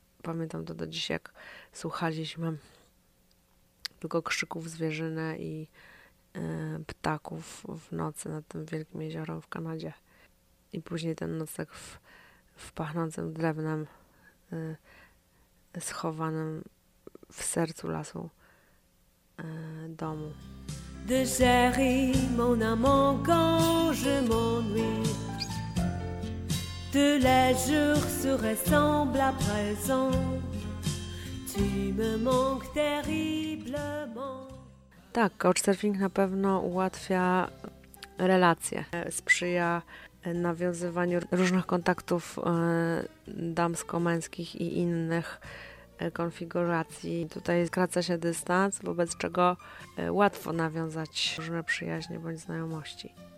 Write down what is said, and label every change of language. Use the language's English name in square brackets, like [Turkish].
[Polish] Pamiętam to do dziś, jak słuchaliśmy tylko krzyków zwierzyny i ptaków w nocy nad tym wielkim jeziorem w Kanadzie. I później ten nocek w pachnącym drewnem schowanym w sercu lasu domu. [French] De chéri, mon amant, quand je m'ennuie, tous les jours se ressemblent à présent, tu me manques terriblement. [Polish] Tak, couchsurfing na pewno ułatwia relacje. Sprzyja nawiązywaniu różnych kontaktów damsko-męskich i innych konfiguracji. Tutaj skraca się dystans, wobec czego łatwo nawiązać różne przyjaźnie bądź znajomości.